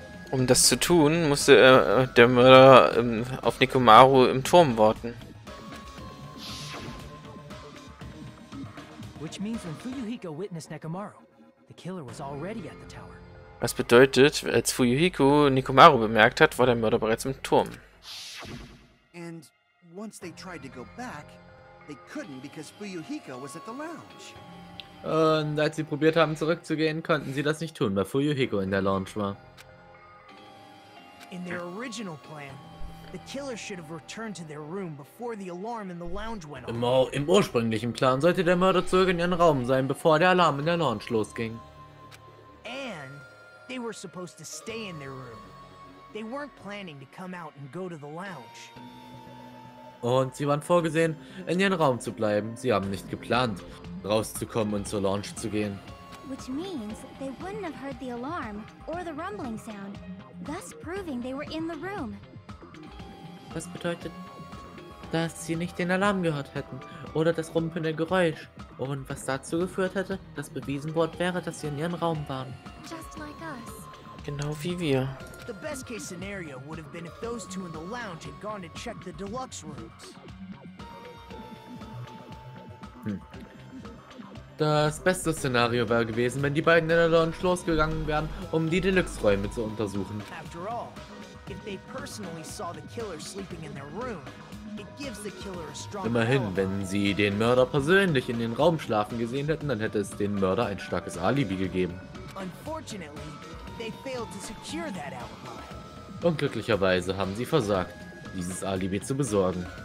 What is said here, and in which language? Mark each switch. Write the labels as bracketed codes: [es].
[de] Um das zu tun, musste der Mörder auf Nekomaru im Turm warten. [en] Which means when Fuyuhiko witnessed Nekomaru. The killer was already at the tower. [de] Was bedeutet, als Fuyuhiko Nekomaru bemerkt hat, war der Mörder bereits im Turm. [en] And once they tried to go back, they couldn't because Fuyuhiko was at the lounge. [de] Und als sie probiert haben zurückzugehen, konnten sie das nicht tun, weil Fuyuhiko in der Lounge war. [en] In their original plan, the killer should have returned to their room before the alarm in the lounge went off. [de] Im ursprünglichen Plan sollte der Mörder zurück in ihren Raum sein, bevor der Alarm in der Lounge losging. [en] And they were supposed to stay in their room. They weren't planning to come out and go to the lounge. [de] Und sie waren vorgesehen, in ihren Raum zu bleiben. Sie haben nicht geplant, rauszukommen und zur Lounge zu gehen. [en] Which means they wouldn't have heard the alarm or the rumbling sound, thus proving they were in the room. [de] Was bedeutet, dass sie nicht den Alarm gehört hätten oder das rumpelnde Geräusch und was dazu geführt hätte, dass bewiesen worden wäre, dass sie in ihrem Raum waren. [en] Just like us. [de] Genau wie wir. [en] The best case scenario would have been if those two in the lounge had gone to check the deluxe rooms. [de] Das beste Szenario wäre gewesen, wenn die beiden in der Lounge losgegangen wären, um die Deluxe-Räume zu untersuchen. [en] After all, if they personally saw the killer sleeping in their room, it gives the killer a strong. [de] Immerhin, wenn sie den Mörder persönlich in den Raum schlafen gesehen hätten, dann hätte es den Mörder ein starkes Alibi gegeben. [en] Unfortunately, they failed to secure that alibi. [de] Unglücklicherweise haben sie versagt, dieses Alibi zu besorgen.